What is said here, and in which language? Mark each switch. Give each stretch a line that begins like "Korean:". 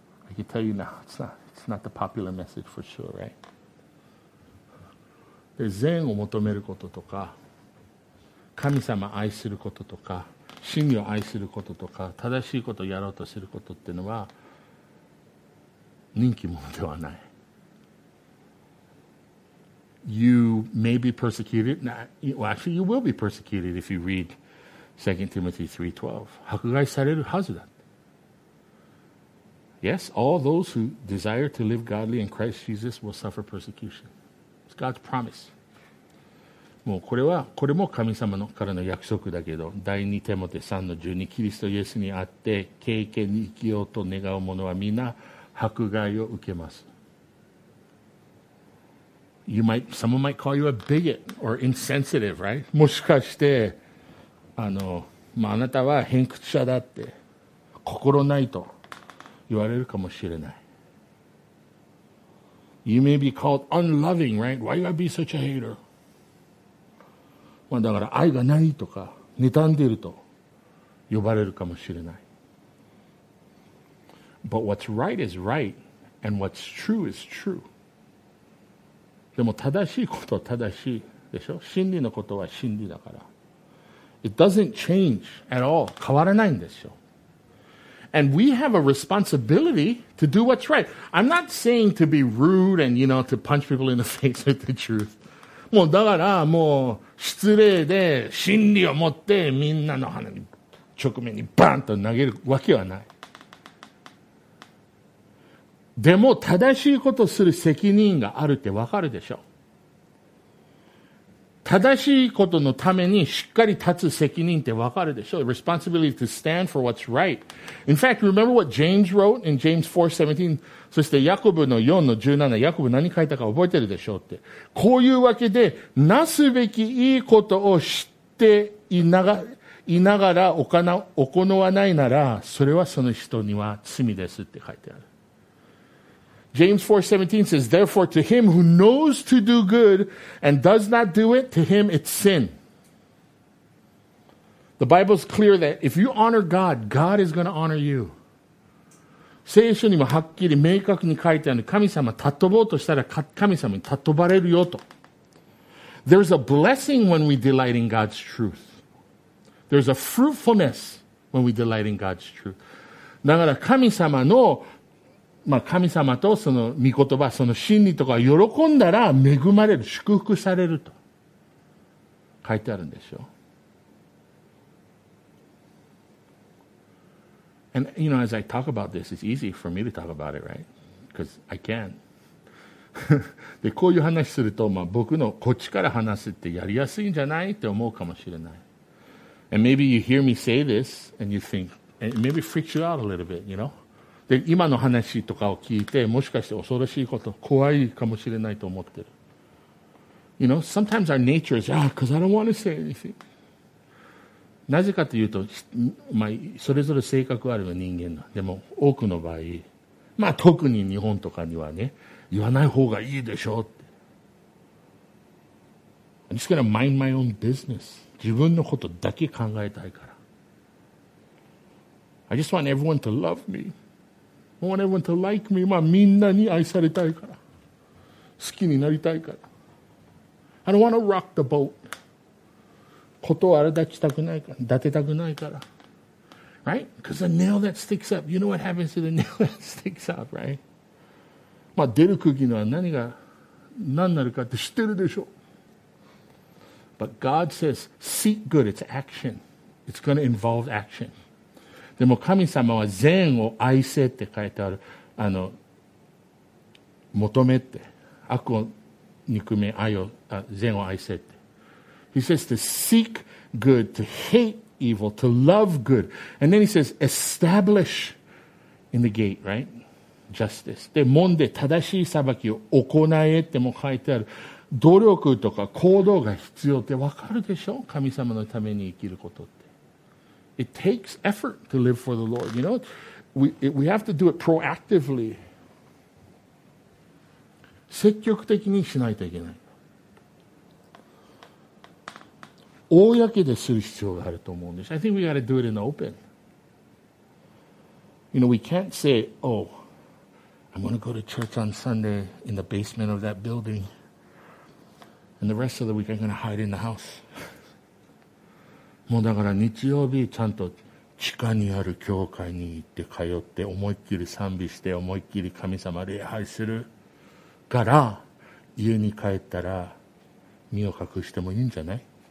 English: I can tell you now, it's not the popular message for sure, right?
Japanese: で、善を求めることとか、神様を愛することとか、真理を愛することとか、正しいことをやろうとすることっていうのは、人気者ではない。
English: You may be persecuted. Now, well, actually, you will be persecuted if you read 2 Timothy 3:12.
Japanese: 迫害されるはずだ。
English: Yes, all those who desire to live godly in Christ Jesus will suffer persecution. It's God's promise.
Japanese: もうこれも神様のからの約束だけど、第2テモテ 3-12、キリストイエスにあって敬虔に生きようと願う者は皆迫害を受けます。
English: Someone might call you a bigot or insensitive, right?
Japanese: もしかして、あなたは偏屈者だって、心ないと言われるかもしれない。
English: You may be called unloving, right? Why you gotta be such a hater?
Japanese: まあだから愛がないとか、妬んでいると呼ばれるかもしれない。
English: But what's right is right, and what's true is true.
Japanese: でも正しいことは正しいでしょ。真理のことは真理だから。
English: It doesn't change at all.
Japanese: 変わらないんですよ。
English: And we have a responsibility to do what's right. I'm not saying to be rude and, you know, to punch people in the face with the truth.
Japanese: もうだからもう失礼で真理を持ってみんなの鼻に直面にバンと投げるわけはない。でも正しいことをする責任があるってわかるでしょ。正しいことのためにしっかり立つ責任ってわかるでしょ。
English: Responsibility to stand for what's right. In fact, remember what James wrote in James 4:17?
Japanese: そしてヤコブの 4-17、 ヤコブ何書いたか覚えてるでしょうって。こういうわけで、なすべきいいことを知っていながら行わないなら、それはその人には罪ですって書いてある。
English: James 4:17 says, therefore to him who knows to do good and does not do it, to him it's sin. The Bible's clear that if you honor God, God is going to honor you.
Japanese: 聖書にもはっきり明確に書いてある。神様たとぼうとしたら神様にたとばれるよと。
English: There's a blessing when we delight in God's truth. There's a fruitfulness when we delight in God's truth.
Japanese: だから神様のまあ、神様とその御言葉、その真理とか喜んだら恵まれる、祝福されると書いてあるんでしょう。
English: And you know, as I talk about this, it's easy for me to talk about it, right? Because I can.
Japanese: で、こういう話すると、まあ、僕のこっちから話すってやりやすいんじゃないって思うかもしれない。
English: And maybe you hear me say this and you think, and maybe freaks you out a little bit, you know?
Japanese: で今の話とかを聞いて、もしかして恐ろしいこと、怖いかもしれないと思ってる。
English: You know, sometimes our nature is, because I don't want to say anything.
Japanese: なぜかというと、まあ、それぞれ性格あるの人間の。でも、多くの場合、まあ、特に日本とかにはね、言わない方がいいでしょうって。
English: I'm just going to mind my own business.
Japanese: 自分のことだけ考えたいから。
English: I just want everyone to love me. I want everyone to like me.
Japanese: まあみんなに愛されたいから。好きになりたいから。
English: I don't want to rock the boat.
Japanese: ことを荒立ちたくないから。立てたくないから。
English: Right? Because the nail that sticks up. You know what happens to the nail that sticks up, right?
Japanese: まあ出る釘のは何なるかって知ってるでしょ。
English: But God says, seek good. It's action. It's going to involve action.
Japanese: でも神様は善を愛せって書いてある。求めって。悪を憎め、善を愛せって。
English: He says to seek good, to hate evil, to love good. And then he says establish in the gate, right? Justice.
Japanese: で、門で正しい裁きを行えっても書いてある。努力とか行動が必要ってわかるでしょ？神様のために生きることって。
English: It takes effort to live for the Lord. You know, we have to do it proactively.
Japanese: 積極的にしないといけない。公でする必要があると思うんです。
English: I think we got to do it in the open. You know, we can't say, oh, I'm going to go to church on Sunday in the basement of that building, and the rest of the week I'm going to hide in the house.
Japanese: もうだから日曜日ちゃんと地下にある教会に行って通って思いっきり賛美して思いっきり神様礼拝するから家に帰ったら身を隠してもいいんじゃない？